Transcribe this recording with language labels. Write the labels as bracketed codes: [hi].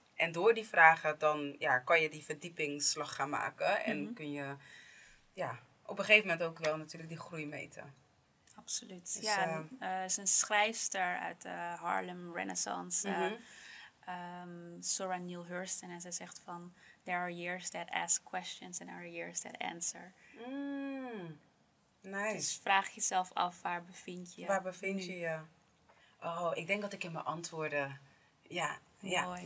[nl] En door die vragen, dan kan je die verdiepingsslag gaan maken. En kun je op een gegeven moment ook wel natuurlijk die groei meten. Absoluut. Dus, ja, is een schrijfster uit de Harlem Renaissance, Sora Neale Hurston. En zij zegt van, [en] there are years that ask questions and there are years that answer. Mm. Nice. [nl] Dus vraag jezelf af, waar bevind je? Waar bevind je je? Oh, ik denk dat ik in mijn antwoorden, Mooi.